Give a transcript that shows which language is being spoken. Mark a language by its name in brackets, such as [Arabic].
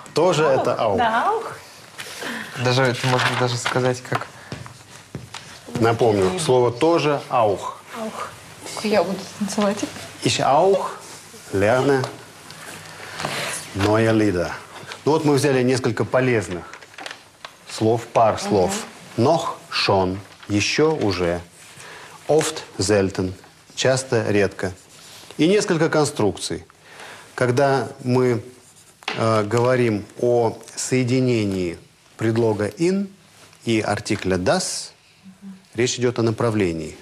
[Russian] Тоже это auch. Да, auch. Даже это можно даже сказать как. Напомню, слово тоже auch. auch. Я буду танцевать. [German] Ich auch lerne neue Lieder. [Russian] Ну вот мы взяли несколько полезных слов, пар слов. Mm-hmm. [German] Noch, schon, [Russian] еще, уже. [German] Oft, selten, [Russian] часто, редко. И несколько конструкций. Когда мы говорим о соединении предлога in и артикля das, речь идет о направлении.